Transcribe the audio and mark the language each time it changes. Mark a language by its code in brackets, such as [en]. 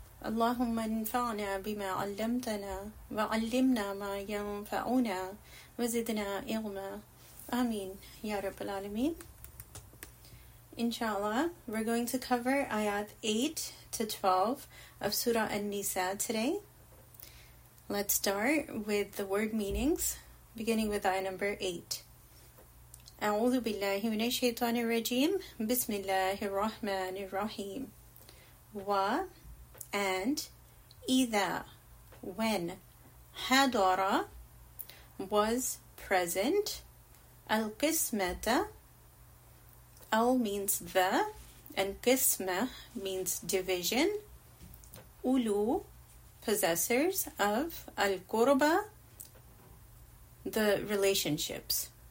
[ar] اللهم انفعنا بما علمتنا وعلمنا ما ينفعنا وزدنا علما. امين يا رب العالمين. [en] Inshallah, we're going to cover ayat 8 to 12 of surah An-Nisa today. Let's start with the word meanings, beginning with ayah number 8. [ar] أعوذ بالله من الشيطان الرجيم بسم الله الرحمن الرحيم. [en] و and إذا when حضر was present القسمة أو means the and قسمة means division أولو possessors of القربة the relationships.